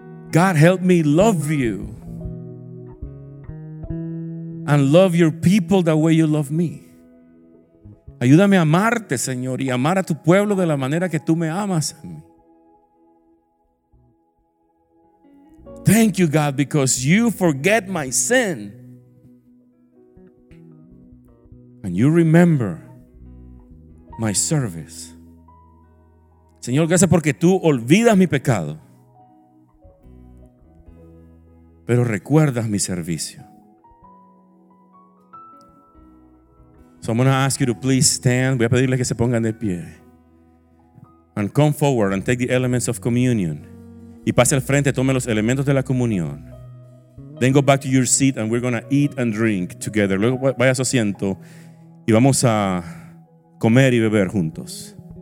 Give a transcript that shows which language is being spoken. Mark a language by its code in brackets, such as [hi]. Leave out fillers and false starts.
[en] God, help me love you and love your people the way you love me. [es] Ayúdame a amarte, Señor, y amar a tu pueblo de la manera que tú me amas a mí. [en] Thank you, God, because you forget my sin. And you remember my service. [es] Señor, gracias porque tú olvidas mi pecado, pero recuerdas mi servicio. [en] So I'm going to ask you to please stand. [es] Voy a pedirle que se pongan de pie. [en] And come forward and take the elements of communion. [es] Y pase al frente, tome los elementos de la comunión. [en] Then go back to your seat and we're going to eat and drink together. [es] Luego vaya a su asiento y vamos a comer y beber juntos.